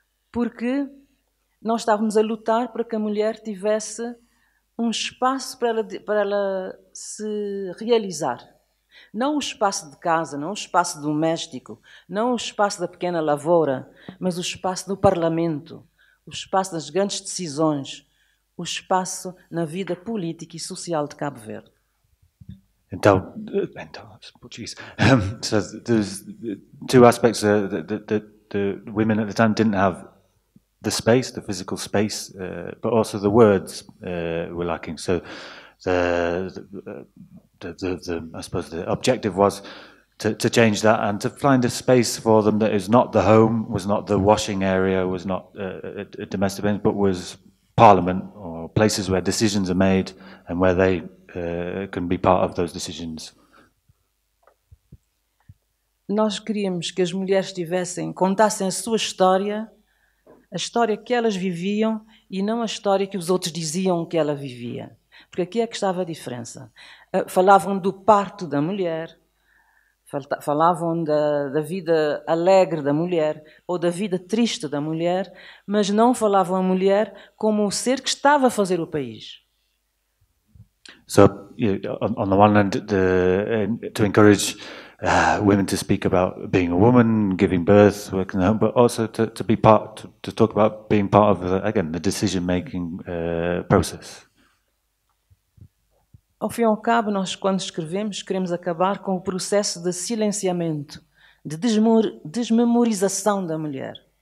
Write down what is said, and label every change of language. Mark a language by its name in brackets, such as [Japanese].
[Portuguese] Porque nós estávamos a lutar para que a mulher tivesse espaço para ela se realizar. Não o espaço de casa, não o espaço doméstico, não o espaço da pequena lavoura, mas o espaço do parlamento, o espaço das grandes decisões, o espaço na vida política e social de Cabo Verde. Então, [English] there's two aspects that the women at the time didn't have. the space, the physical space, but also the words were lacking. So I suppose the objective was to change that and to find a space for them that is not the home, was not the washing area, was not a domestic place, but was parliament or places where decisions are made and where they can be part of those decisions. [Portuguese] Nós queríamos que as mulheres tivessem, contassem a sua história, a história que elas viviam e não a história que os outros diziam que ela vivia. Porque aqui é que estava a diferença. Falavam do parto da mulher, falavam da vida alegre da mulher ou da vida triste da mulher, mas não falavam a mulher como o ser que estava a fazer o país. [English] So, on the one hand, to encourage women to speak about being a woman, giving birth, working at home, but also to talk about being part of the decision-making process. [Portuguese] Ao fim e ao cabo, nós, quando escrevemos, queremos acabar com o processo de silenciamento, de desmemorização da mulher.